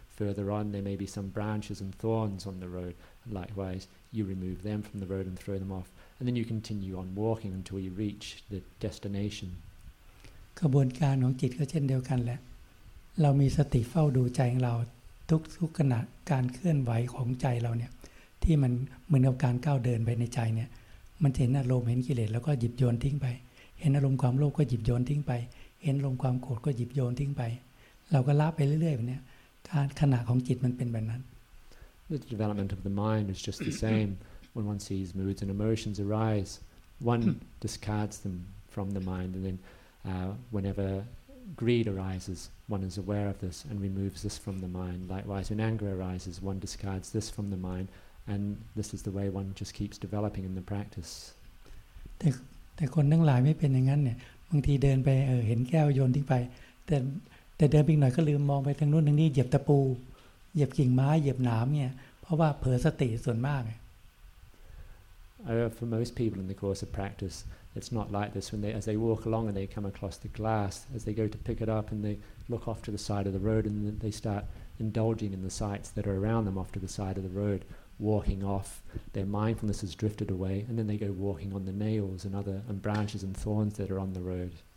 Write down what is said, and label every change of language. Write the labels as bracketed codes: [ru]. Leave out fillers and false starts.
[en] Further on, there may be some branches and thorns on the road, and likewise, you remove them from the road and throw them off. And then you continue on walking until you reach the destination. [th] กระบวนการของจิตก็เช่นเดียวกันแหละเรามีสติเฝ้าดูใจของเราทุกขณะการเคลื่อนไหวของใจเราเนี่ยที่มันเหมือนกับการก้าวเดินไปในใจเนี่ยมันเห็นอารมณ์เห็นกิเลสแล้วก็หยิบโยนทิ้งไปเห็นอารมณ์ความโลภก็หยิบโยนทิ้งไปเห็นอารมณ์ความโกรธก็หยิบโยนทิ้งไปเราก็ละไปเรื่อยๆแบบเนี้ยการขณะของจิตมันเป็นแบบนั้น [en] The development of the mind is just the same. When one sees moods and emotions arise, one discards them from the mind, and then whenever greed arises, one is aware of this and removes this from the mind. Likewise, when anger arises, one discards this from the mind, and this is the way one just keeps developing in the practice. [th] แต่คนทั้งหลายไม่เป็นอย่างนั้นเนี่ยบางทีเดินไปเห็นแก้วโยนทิ้งไปแต่เดินไปหน่อยก็ลืมมองไปทางนู้นทางนี้เหยียบตะปูเหยียบกิ่งไม้เหยียบหนามเนี่ยเพราะว่าเผลอสติส่วนมาก [en] For most people in the course of practice, it's not like this. As they walk along and they come across the glass, as they go to pick it up and they look off to the side of the road and they start indulging in the sights that are around them off to the side of the road, walking off. Their mindfulness has drifted away and then they go walking on the nails and other and branches and thorns that are on the road.